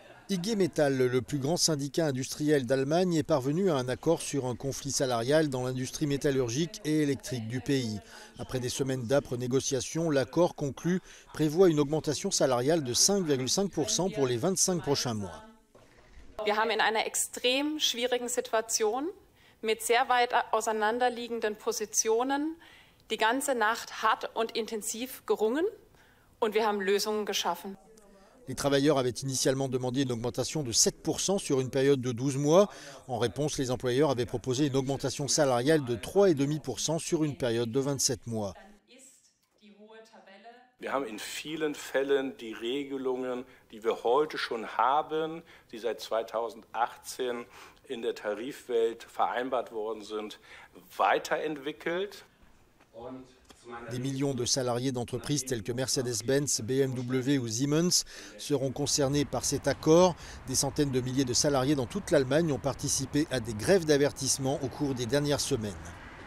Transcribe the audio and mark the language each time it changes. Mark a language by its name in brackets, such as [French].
[French] IG Metall, le plus grand syndicat industriel d'Allemagne, est parvenu à un accord sur un conflit salarial dans l'industrie métallurgique et électrique du pays. Après des semaines d'âpres négociations, l'accord conclu prévoit une augmentation salariale de 5,5% pour les 25 prochains mois. [German] Wir haben in einer extrem schwierigen Situation mit sehr weit auseinanderliegenden Positionen die ganze Nacht hart und intensiv gerungen und wir haben Lösungen geschaffen. [French] Les travailleurs avaient initialement demandé une augmentation de 7% sur une période de 12 mois. En réponse, les employeurs avaient proposé une augmentation salariale de 3,5% sur une période de 27 mois. [German] Wir haben in vielen Fällen die Regelungen, die wir heute schon haben, die seit 2018 in der Tarifwelt vereinbart worden sind, weiterentwickelt. [French] Des millions de salariés d'entreprises telles que Mercedes-Benz, BMW ou Siemens seront concernés par cet accord. Des centaines de milliers de salariés dans toute l'Allemagne ont participé à des grèves d'avertissement au cours des dernières semaines.